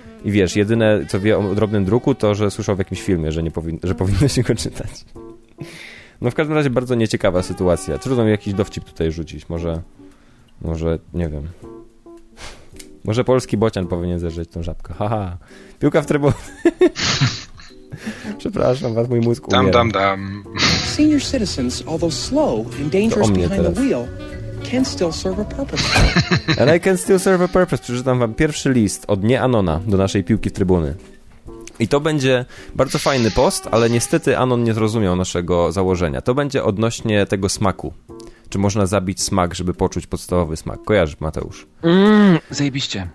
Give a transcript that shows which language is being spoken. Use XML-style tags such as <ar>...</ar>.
<pl>I wiesz, jedyne, co wie o drobnym druku, to, że słyszał w jakimś filmie, że powinno się go czytać. No w każdym razie bardzo nieciekawa sytuacja. Trudno mi jakiś dowcip tutaj rzucić. Może, nie wiem. Może polski bocian powinien zerzeć tą żabkę. Haha. Piłka w trybu. Przepraszam was, mój mózg umiera. Dam, dam, dam.</pl> <en>Senior citizens, although slow and dangerous behind the wheel, can still serve a purpose. And I can still serve a purpose.</en> <pl>Przeczytam wam pierwszy list od Nieanona do naszej piłki w trybuny. I to będzie bardzo fajny post, ale niestety Anon nie zrozumiał naszego założenia. To będzie odnośnie tego smaku. Czy można zabić smak, żeby poczuć podstawowy smak? Kojarz, Mateusz. Zajebiście.</pl>